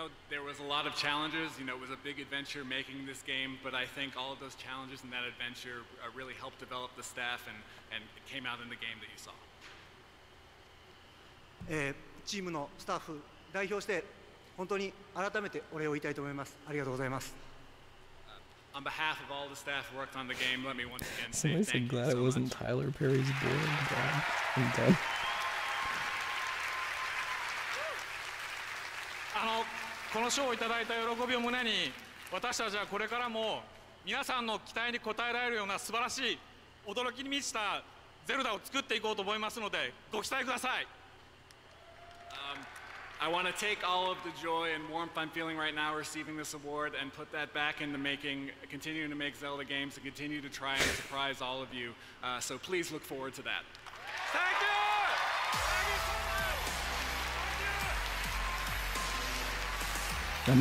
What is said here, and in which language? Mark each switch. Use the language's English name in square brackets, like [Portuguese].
[English] There was a lot of challenges. You know, it was a big adventure making this game, but I think all of those challenges and that adventure really helped develop the staff and it came out in the game that you saw. [Japanese] チームのスタッフ代表して本当に改めてお礼を言いたいと思います。ありがとうございます。 [English] On behalf of all the staff who worked on the game, let me once again say thank you so much. I'm glad it wasn't Tyler Perry's boy. I'm glad I'm done. [Japanese] あのこの賞をいただいた喜びを胸に、私たちはこれからも皆さんの期待に応えられるような素晴らしい驚きに満ちたゼルダを作っていこうと思いますので、ご期待ください。 [English] I want to take all of the joy and warmth I'm feeling right now receiving this award and put that back into making, continuing to make Zelda games and continue to try and surprise all of you. So please look forward to that. Thank you! Thank you so much!